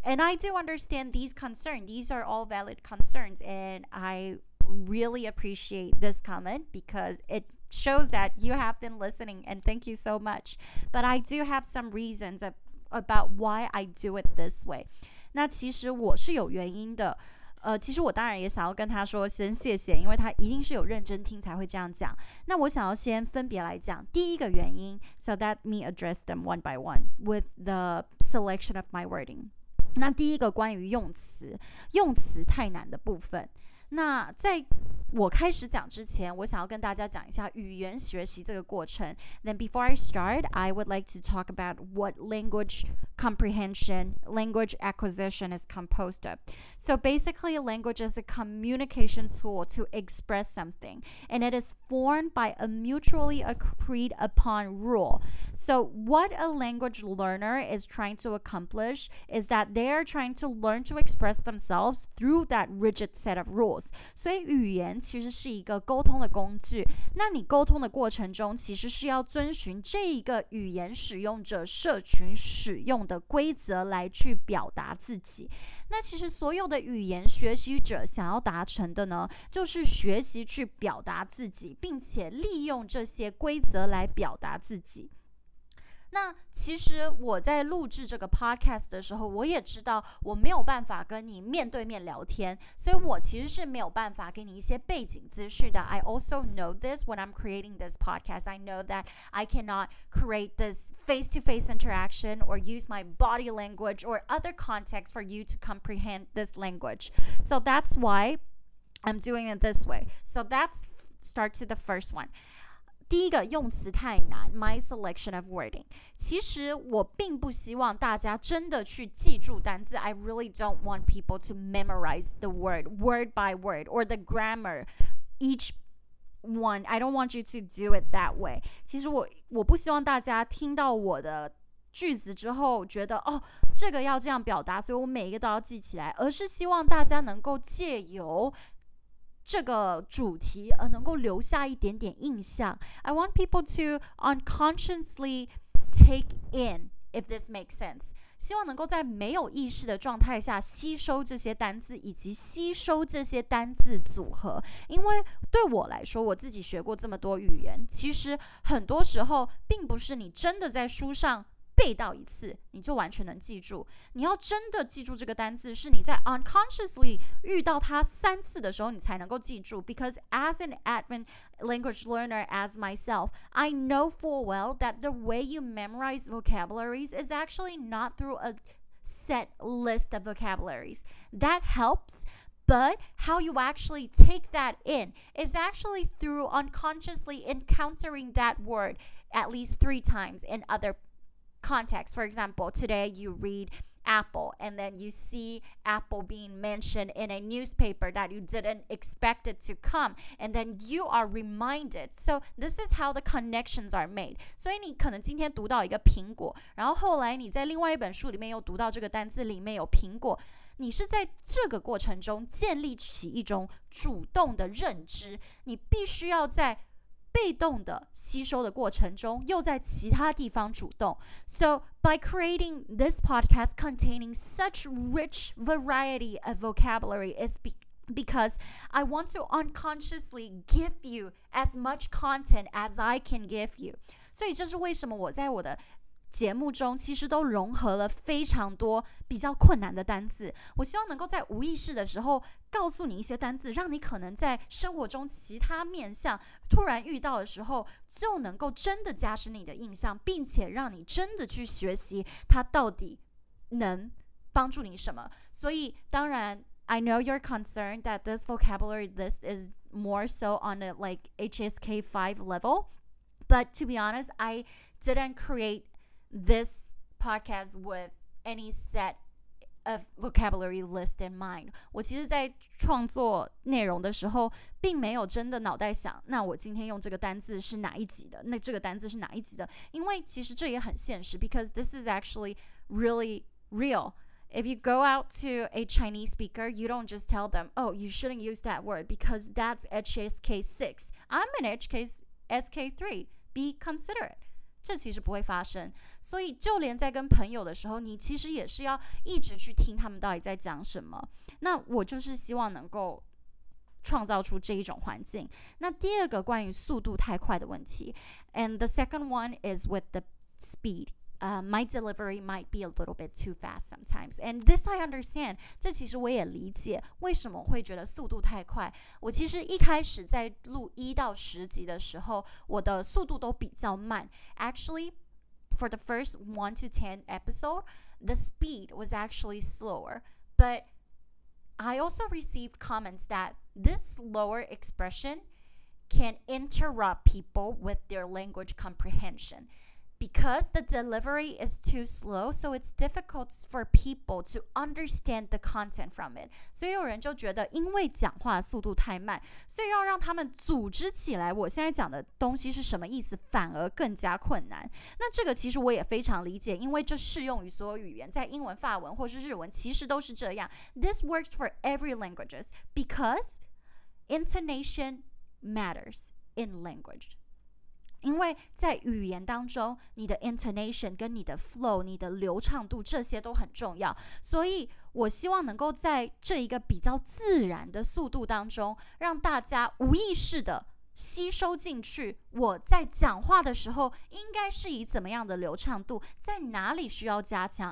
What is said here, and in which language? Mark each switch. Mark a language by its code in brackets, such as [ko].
[en] And I do understand these concerns. These are all valid concerns. And I really appreciate this comment because it shows that you have been listening and thank you so much. But I do have some reasons about why I do it this way. [zh] 那其实我是有原因的，其实我当然也想要跟他说先谢谢，因为他一定是有认真听才会这样讲。那我想要先分别来讲第一个原因， [en] So let me address them one by one with the selection of my wording. [zh] 那第一个关于用词太难的部分，那在我开始讲之前，我想要跟大家讲一下语言学习这个过程。 [en] Then before I start, I would like to talk about what language comprehension, language acquisition is composed of. So basically, language is a communication tool to express something, and it is formed by a mutually agreed upon rule. So what a language learner is trying to accomplish is that they are trying to learn to express themselves through that rigid set of rules. [zh] 所以语言其实是一个沟通的工具，那你沟通的过程中其实是要遵循这一个语言使用者社群使用的规则来去表达自己。那其实所有的语言学习者想要达成的呢，就是学习去表达自己，并且利用这些规则来表达自己。那其实我在录制这个 podcast 的时候，我也知道我没有办法跟你面对面聊天，所以我其实是没有办法给你一些背景资讯的。 [en] I also know this when I'm creating this podcast. I know that I cannot create this face-to-face interaction or use my body language or other context for you to comprehend this language. So that's why I'm doing it this way. So let's start to the first one. [zh] 第一个用词太难 [en] My selection of wording [zh] 其实我并不希望大家真的去记住单字 [en] I really don't want people to memorize the word word by word or the grammar each one, I don't want you to do it that way. [zh] 其实我不希望大家听到我的句子之后觉得哦，这个要这样表达，所以我每一个都要记起来，而是希望大家能够借由这个主题而能够留下一点点印象。 [en] I want people to unconsciously take in, if this makes sense. [zh] 希望能够在没有意识的状态下吸收这些单字以及吸收这些单字组合。因为对我来说，我自己学过这么多语言，其实很多时候并不是你真的在书上背到一次你就完全能记住，你要真的记住这个单字是你在 unconsciously 遇到它三次的时候你才能够记住。 [en] Because as an advanced language learner as myself, I know full well that the way you memorize vocabularies is actually not through a set list of vocabularies. That helps, but how you actually take that in is actually through unconsciously encountering that word at least three times in other context. For example, today you read apple and then you see apple being mentioned in a newspaper that you didn't expect it to come, and then you are reminded. So this is how the connections are made. [zh] 所以你可能今天读到一个苹果，然后后来你在另外一本书里面又读到这个单字里面有苹果，你是在这个过程中建立起一种主动的认知。你必须要在被动的吸收的过程中又在其他地方主动。 [en] So by creating this podcast containing such rich variety of vocabulary is because I want to unconsciously give you as much content as I can give you. [zh] 所以这是为什么我在我的节目中其实都融合了非常多比较困难的单字。我希望能够在无意识的时候告诉你一些单字，让你可能在生活中其他面向突然遇到的时候就能够真的加深你的印象，并且让你真的去学习它到底能帮助你什么。所以当然 [en] I know you're concerned that this vocabulary list is more so on a like HSK5 level, but to be honest, I didn't createThis podcast with any set of vocabulary list in mind. [zh] 我其实在创作内容的时候并没有真的脑袋想那我今天用这个单字是哪一集的，那这个单字是哪一集的，因为其实这也很现实。 [en] Because this is actually really real. If you go out to a Chinese speaker, you don't just tell them, oh, you shouldn't use that word because that's HSK6. I'm an HSK3. Be considerate. [zh] 这其实不会发生，所以就连在跟朋友的时候，你其实也是要一直去听他们到底在讲什么。那我就是希望能够创造出这一种环境。那第二个关于速度太快的问题 [en] And the second one is with the speed. My delivery might be a little bit too fast sometimes. And this I understand. [zh] 这其实我也理解为什么会觉得速度太快。我其实一开始在录一到十集的时候，我的速度都比较慢。 [en] Actually, for the first 1 to 10 episode, the speed was actually slower. But I also received comments that this slower expression can interrupt people with their language comprehension. Because the delivery is too slow, so it's difficult for people to understand the content from it. [zh] 所以有人就觉得因为讲话速度太慢，所以要让他们组织起来我现在讲的东西是什么意思反而更加困难。那这个其实我也非常理解，因为这适用于所有语言，在英文、法文或是日文其实都是这样。 [en] This works for every languages because intonation matters in language. [zh] 因为在语言当中你的 intonation 跟你的 flow 你的流畅度这些都很重要，所以我希望能够在这一个比较自然的速度当中让大家无意识的吸收进去我在讲话的时候应该是以怎么样的流畅度，在哪里需要加强。